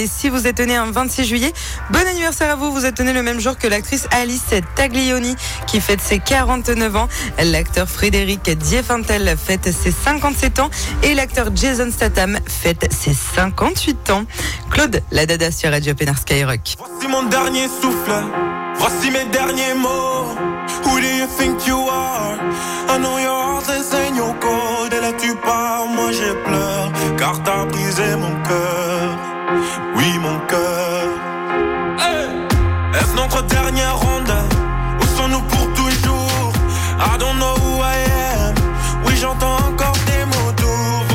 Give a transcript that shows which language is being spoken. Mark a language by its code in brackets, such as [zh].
[fr] Et si vous êtes né un 26 juillet, bon anniversaire à vous. Vous êtes né le même jour que l'actrice Alice Taglioni, qui fête ses 49 ans. L'acteur Frédéric Diefenthal fête ses 57 ans. Et l'acteur Jason Statham fête ses 58 ans. Claude, la dada sur Radio Pénard Skyrock. Voici mon dernier souffle, voici mes derniers mots. [en] Who do you think you are? I know your heart is in your code. [fr] Et là tu pars, moi je pleure, car t'as brisé mon cœur. Oui, mon cœur. Hey! Est-ce notre dernière ronde? Où sont-nous pour toujours? [en] I don't know who I am. [fr] Oui, j'entends encore tes mots doux.